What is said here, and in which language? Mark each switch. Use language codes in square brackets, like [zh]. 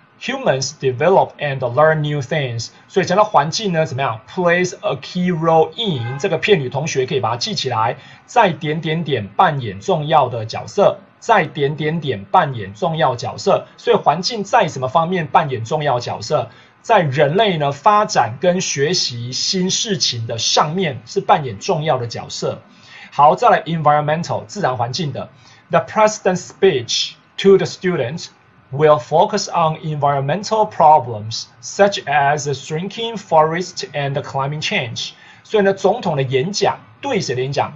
[en] humans develop and learn new things. [zh] 所以讲到环境呢，怎么样 ？ [en] Plays a key role in [zh] 这个片语，同学可以把它记起来。在点点点扮演重要的角色，在点点点扮演重要角色。所以环境在什么方面扮演重要角色？在人类呢发展跟学习新事情的上面是扮演重要的角色。好，再来 [en] environmental [zh] 自然环境的 [en] ，The president's speech to the students will focus on environmental problems such as shrinking forests and climate change。 [zh] 所以呢，总统的演讲对谁的演讲？